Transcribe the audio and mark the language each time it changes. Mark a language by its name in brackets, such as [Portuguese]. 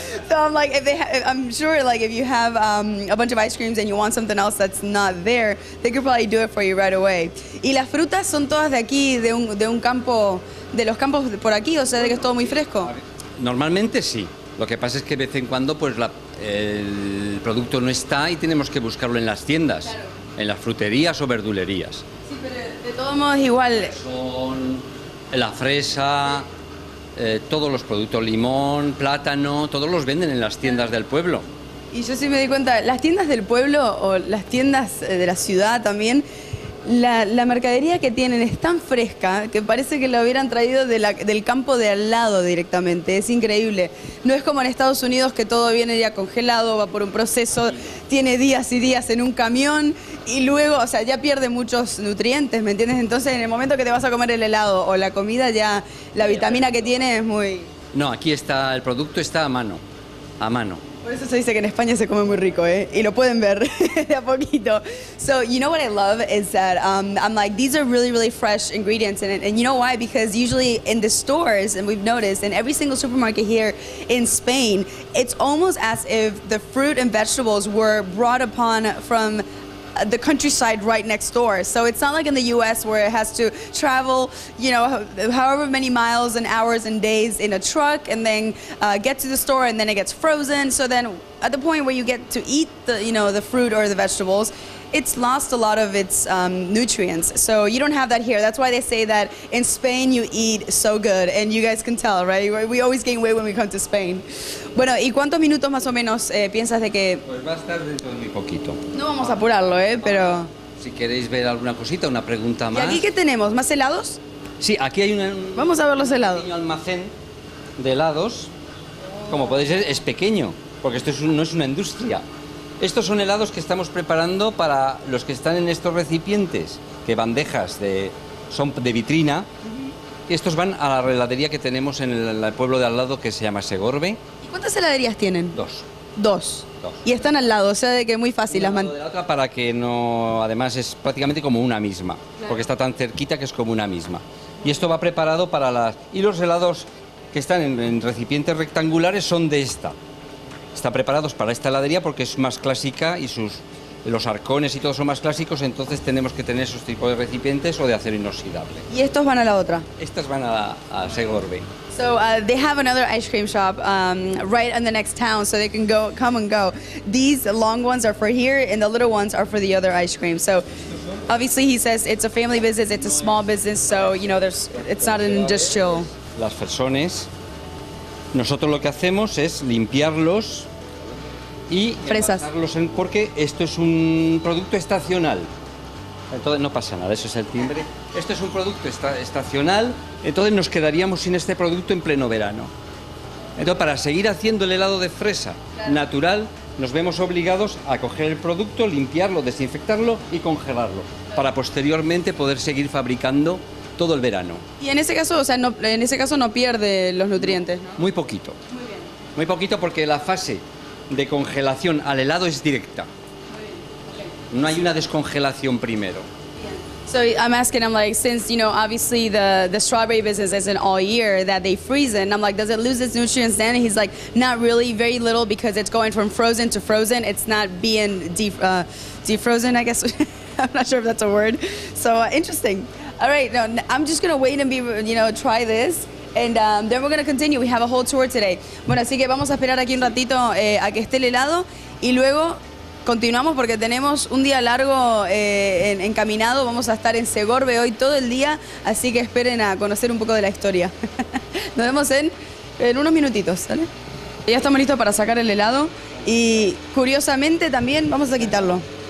[English] So I'm like, I'm sure, like, if you have a bunch of ice creams and you want something else that's not there, they could probably do it for you right away. [Spanish] Y las frutas son todas de aquí, de un campo, de los campos por aquí, o sea, de que es todo muy fresco. Normalmente sí. Lo que pasa es que de vez en cuando, pues, el producto no está y tenemos que buscarlo en las tiendas, claro. En las fruterías o verdulerías. Sí, pero de todos modos igual. Son la fresa, todos los productos, limón, plátano, todos los venden en las tiendas del pueblo. Y yo sí me di cuenta, las tiendas del pueblo o las tiendas de la ciudad también, La mercadería que tienen es tan fresca que parece que lo hubieran traído del campo de al lado directamente. Es increíble. No es como en Estados Unidos que todo viene ya congelado, va por un proceso, tiene días y días en un camión y luego, o sea, ya pierde muchos nutrientes, ¿me entiendes? Entonces, en el momento que te vas a comer el helado o la comida, ya la vitamina que tiene es muy... No, aquí está, el producto está a mano, a mano. Por eso se dice que en España se come muy rico, ¿eh? Y lo pueden ver de a poquito. [English] So, you know what I love is that I'm like, these are really, really fresh ingredients. And you know why? Because usually in the stores, and we've noticed, in every single supermarket here in Spain, it's almost as if the fruit and vegetables were brought upon from the countryside right next door. So it's not like in the US where it has to travel, you know, however many miles and hours and days in a truck and then get to the store and then it gets frozen. So then at the point where you get to eat the, you know, the fruit or the vegetables, it's lost a lot of its nutrients. So you don't have that here. That's why they say that in Spain you eat so good. And you guys can tell, right? We always gain weight when we come to Spain. [Spanish] Bueno, ¿y cuántos minutos más o menos piensas de que...? Pues va a estar dentro de muy poquito. No vamos a apurarlo, pero... Si queréis ver alguna cosita, una pregunta más. ¿Y aquí qué tenemos? ¿Más helados? Sí, aquí hay un... Vamos a ver los helados. Un pequeño almacén de helados. Como podéis ver, es pequeño, porque esto no es una industria. Estos son helados que estamos preparando para los que están en estos recipientes, que bandejas de, son de vitrina. Estos van a la heladería que tenemos en el pueblo de al lado, que se llama Segorbe. ¿Y cuántas heladerías tienen? Dos. Dos. Dos. Y están al lado, o sea, de que muy fácil las mantener. Una de la otra para que no... Además, es prácticamente como una misma, claro. Porque está tan cerquita que es como una misma. Y esto va preparado para las... Y los helados que están en recipientes rectangulares son de esta. Está preparados para esta heladería porque es más clásica y los arcones y todo son más clásicos, entonces tenemos que tener esos tipos de recipientes o de acero inoxidable. ¿Y estos van a la otra? Estas van a Segorbe. [English] So they have another ice cream shop right in the next town, so they can go, come and go. These long ones are for here and the little ones are for the other ice cream. So obviously he says it's a family business, it's a small business, so you know there's, it's not an industrial. [Spanish] Las personas. Nosotros lo que hacemos es limpiarlos y pasarlos en, porque esto es un producto estacional. Entonces no pasa nada, eso es el timbre. Esto es un producto estacional, entonces nos quedaríamos sin este producto en pleno verano. Entonces para seguir haciendo el helado de fresa natural, nos vemos obligados a coger el producto, limpiarlo, desinfectarlo y congelarlo para posteriormente poder seguir fabricando todo el verano. Y en ese caso, o sea, no, en ese caso no pierde los nutrientes, ¿no? Muy poquito. Muy bien. Muy poquito porque la fase de congelación al helado es directa. No hay una descongelación primero. [English] So I'm asking, I'm like, since, you know, obviously the strawberry business isn't all year that they freeze it, and I'm like, does it lose its nutrients then? And he's like, not really, very little, because it's going from frozen to frozen. It's not being defrozen, I guess. I'm not sure if that's a word. So interesting. All right, no, I'm just gonna wait and be, you know, try this, and then we're gonna continue. We have a whole tour today. [Spanish] Bueno, así que vamos a esperar aquí un ratito a que esté el helado y luego continuamos porque tenemos un día largo encaminado. Vamos a estar en Segorbe hoy todo el día, así que esperen a conocer un poco de la historia. Nos vemos en unos minutitos, ¿sale? Ya estamos listos para sacar el helado y curiosamente también vamos a quitarlo.